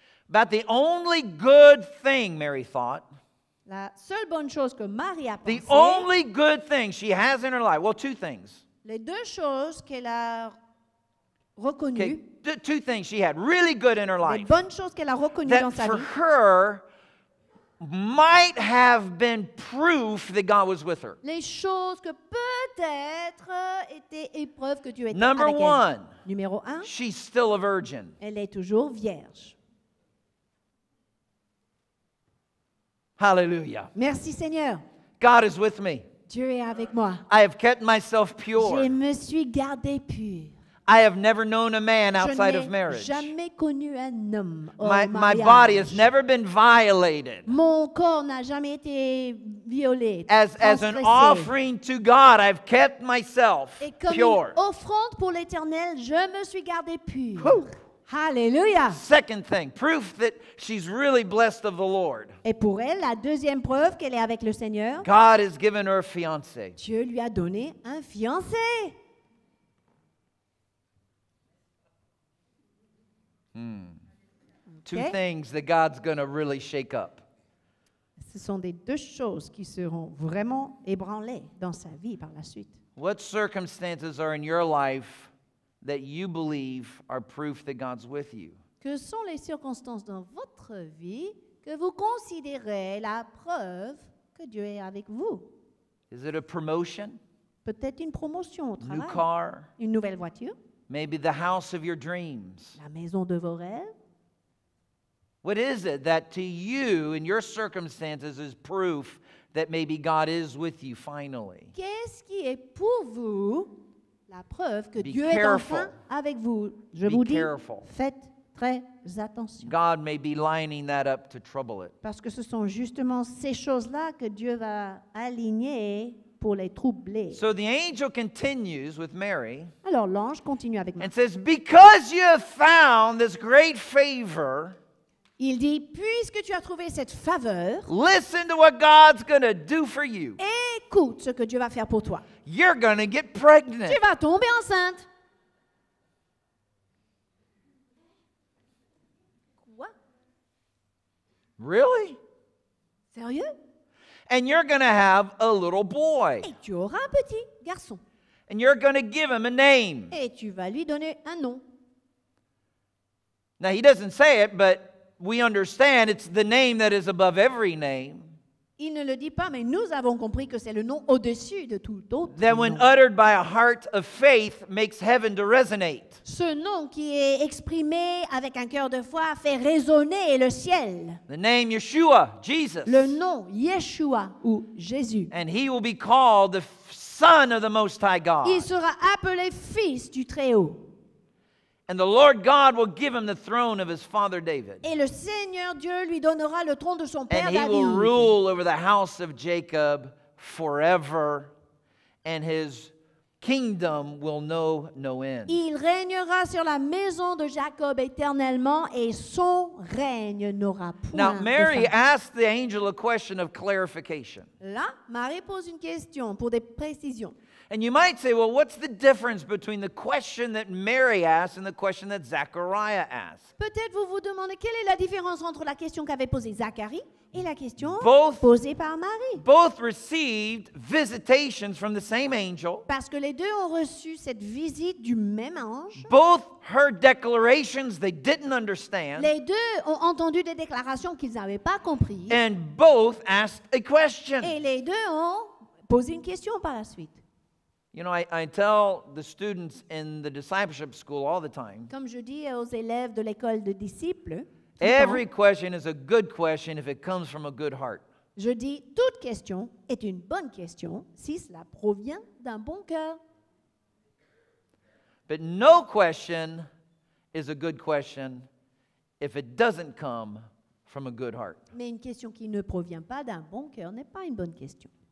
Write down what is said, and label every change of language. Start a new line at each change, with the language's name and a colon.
English: But the only good thing, Mary thought,
French: la seule bonne chose que Marie a pensé,
English: the only good thing she has in her life, well, two things.
French: Les deux choses qu'elle a reconnu.
English: Okay, the two things she had really good in her life.
French: Les bonnes choses qu'elle a reconnues dans sa vie.
English: That for her might have been proof that God was with her.
French: Les choses que peut-être étaient épreuves que Dieu était
English: Number
French: avec
English: one,
French: elle. Numéro un.
English: She's still a virgin.
French: Elle est toujours vierge.
English: Hallelujah.
French: Merci Seigneur.
English: God is with me.
French: Dieu est avec moi.
English: I have kept myself pure.
French: Je me suis gardé pur.
English: I have never known a man outside of marriage.
French: Je n'ai jamais connu un homme hors mariage.
English: My body has never been violated.
French: Mon corps n'a jamais été violé.
English: As an offering to God, I've kept myself
French: Et comme
English: pure.
French: Une offrande pour l'Éternel, je me suis gardé pur. Ouh. Hallelujah.
English: Second thing, proof that she's really blessed of the Lord.
French: Et pour elle, la deuxième preuve qu'elle est avec le Seigneur.
English: God has given her a fiancé.
French: Dieu lui a donné un fiancé.
English: Hmm. Okay. Two things that God's going to really shake up.
French: Ce sont des deux choses qui seront vraiment ébranlées dans sa vie par la suite.
English: What circumstances are in your life that you believe are proof that God's with you?
French: Que sont les circonstances dans votre vie que vous considérez la preuve que Dieu est avec vous?
English: Is it a promotion?
French: Peut-être une promotion au travail.
English: New car?
French: Une nouvelle voiture?
English: Maybe the house of your dreams.
French: La maison de vos rêves.
English: What is it that to you in your circumstances is proof that maybe God is with you finally?
French: Qu'est-ce qui est pour vous la preuve que Dieu est enfin avec vous? Je vous dis, faites très attention.
English: God may be lining that up to trouble it.
French: Parce que ce sont justement ces choses-là que Dieu va aligner pour les troubler.
English: So the angel continues with Mary.
French: Alors l'ange continue avec Marie.
English: And says, because you have found this great favor.
French: Il dit, puisque tu as trouvé cette faveur.
English: Listen to what God's going to do for you.
French: Écoute ce que Dieu va faire pour toi.
English: You're going to get pregnant.
French: Tu vas tomber enceinte. Quoi?
English: Really?
French: Sérieux?
English: And you're going to have a little boy.
French: Et tu auras un petit garçon.
English: And you're going to give him a name.
French: Et tu vas lui donner un nom.
English: Now he doesn't say it, but we understand it's the name that is above every name.
French: Il ne le dit pas, mais nous avons compris que c'est le nom au-dessus de tout autre.
English: That when uttered by a heart of faith makes heaven to resonate.
French: Ce nom qui est exprimé avec un cœur de foi fait résonner le ciel.
English: The name Yeshua, Jesus.
French: Le nom Yeshua ou Jésus.
English: And he will be called the Son of the Most High God.
French: Il sera appelé Fils du Très-Haut.
English: And the Lord God will give him the throne of his father David.
French: Et le Seigneur Dieu lui donnera le trône de son père David.
English: And he will rule over the house of Jacob forever, and his kingdom will know no end.
French: Il règnera sur la maison de Jacob éternellement, et son règne n'aura point de fin.
English: Now Mary asked the angel a question of clarification.
French: Là, Marie pose une question pour des précisions.
English: And you might say, well, what's the difference between the question that Mary asked and the question that Zachariah asked?
French: Peut-être vous vous demandez quelle est la différence entre la question qu'avait posée Zacharie et la question posée par Marie.
English: Both received visitations from the same angel.
French: Parce que les deux ont reçu cette visite du même ange.
English: Both heard declarations they didn't understand.
French: Les deux ont entendu des déclarations qu'ils n'avaient pas comprises.
English: And both asked a question.
French: Et les deux ont posé une question par la suite.
English: You know, I tell the students in the discipleship school all the time.
French: Comme je dis aux élèves de l'école de disciples.
English: Every question is a good question if it comes from a good heart.
French: Je dis toute question est une bonne question si cela provient d'un bon cœur.
English: But no question is a good question if it doesn't come from a good heart.
French: Mais une question qui ne provient pas d'un bon cœur n'est pas une bonne question.